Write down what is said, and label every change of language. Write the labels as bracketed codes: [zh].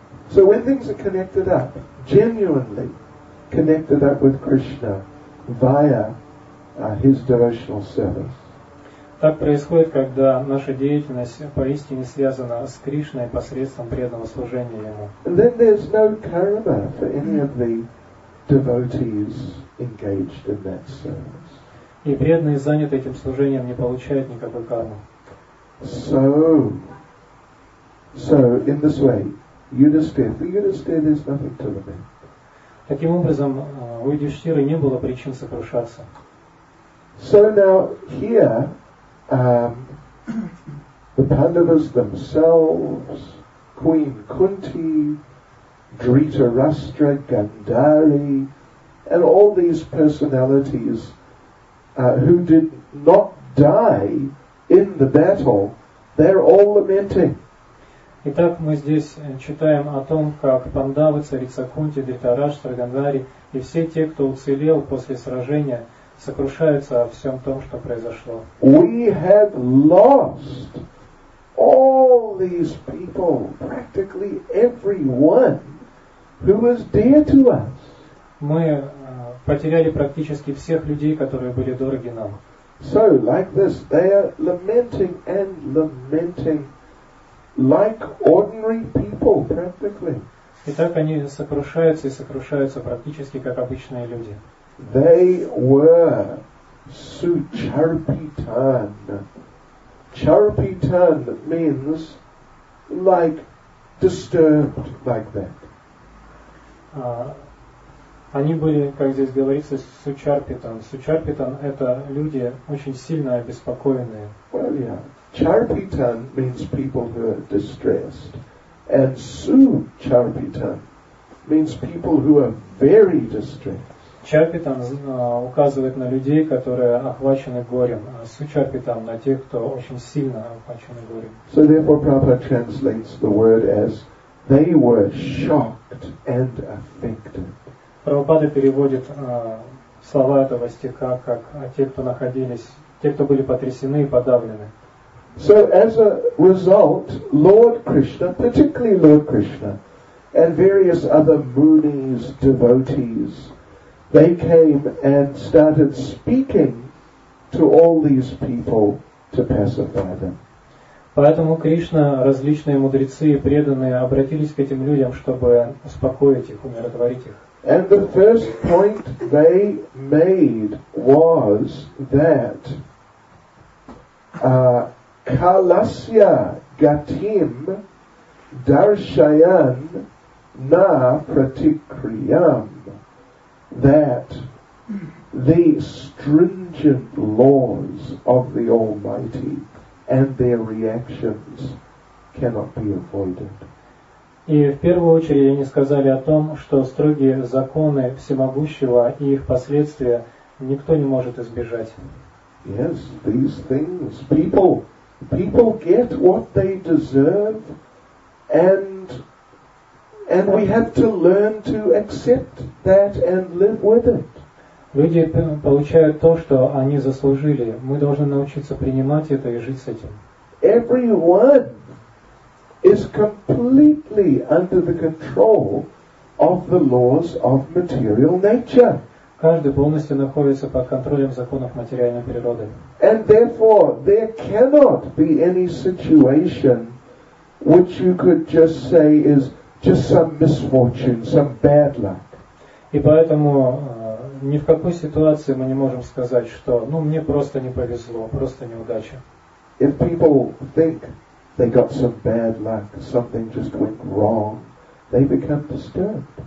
[en] So when things are connected up, genuinely, connected up with Krishna via his devotional service. [ru] Так происходит, когда наша деятельность поистине связана с Кришной посредством преданного служения ему. [en] And then there's no karma for any of the devotees engaged in that service. [ru] И преданные, занятые этим служением, не получают никакой кармы. [en] So in this way, Yudhishthira, there's nothing to lament. [ru] Таким образом, у Юдхиштхиры не было причин сокрушаться. [en] So now here, the Pandavas themselves, Queen Kunti, Dhritarashtra, Gandhari, and all these personalities who did not die in the battle, they're all lamenting. [ru] Итак, мы здесь читаем о том, как Пандавы, царица Кунти, Дритараштра, Гандхари и все те, кто уцелел после сражения, сокрушаются о всем том, что произошло. [en] We have lost all these people, practically everyone who was dear to us. [ru] Мы потеряли практически всех людей, которые были дороги нам. [en] So, like this, they are lamenting and lamenting. Like ordinary people, practically. [ru] Итак, они сокрушаются и сокрушаются практически как обычные люди. [en] They were Sucharpitan. Charpitan means like disturbed, like that. [ru] Они были, как здесь говорится, Sucharpitan. Sucharpitan – это люди очень сильно обеспокоенные. [en] Well, yeah. Charpitan means people who are distressed. And Sucharpitan means people who are very distressed. [ru] Charpitan указывает на людей, которые охвачены горем. А Sucharpitan – на тех, кто очень сильно охвачены горем. [en] So therefore Prabhupada translates the word as they were shocked and affected. [ru] Прабхупада переводит слова этого стиха как те, кто были потрясены и подавлены. [en] So as a result, Lord Krishna, particularly Lord Krishna, and various other Munis, devotees, they came and started speaking to all these people to pacify them. [ru] Поэтому Кришна, различные мудрецы и преданные обратились к этим людям, чтобы успокоить их, умиротворить их. [en] And the first point they made was that [sa] kalasya gatim darshayan na pratikriyam, [en] that the stringent laws of the Almighty and their reactions cannot be avoided. [ru] И в первую очередь они сказали о том, что строгие законы Всемогущего и их последствия никто не может избежать. [en] Yes, these things. People get what they deserve, and And we have to learn to accept that and live with it. [ru] Люди получают то, что они заслужили. Мы должны научиться принимать это и жить с этим. [en] Everyone is completely under the control of the laws of material nature. [ru] Каждый полностью находится под контролем законов материальной природы. [en] And therefore, there cannot be any situation which you could just say is just some misfortune, some bad luck. [ru] И поэтому ни в какой ситуации мы не можем сказать, что ну мне просто не повезло, просто неудача. [en] If people think they got some bad luck, something just went wrong, they become disturbed.